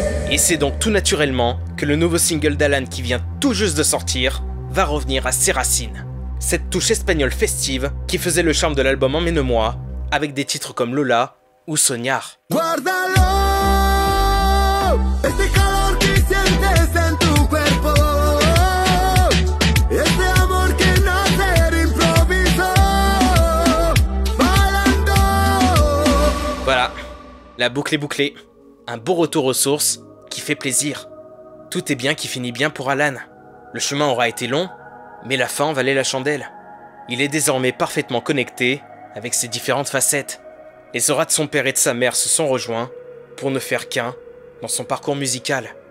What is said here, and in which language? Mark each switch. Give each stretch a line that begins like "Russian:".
French: Et c'est donc tout naturellement que le nouveau single d'Alan qui vient tout juste de sortir va revenir à ses racines. Cette touche espagnole festive qui faisait le charme de l'album Emmène-moi avec des titres comme Lola ou Soñar.
Spanish: Guardalo, este calor que sientes en tu cuerpo, este amor que nace de improviso, bailando.
French: Voilà, la boucle est bouclée. Un beau retour aux sources qui fait plaisir. Tout est bien qui finit bien pour Alan. Le chemin aura été long, mais la fin valait la chandelle. Il est désormais parfaitement connecté avec ses différentes facettes. Les auras de son père et de sa mère se sont rejoints pour ne faire qu'un dans son parcours musical.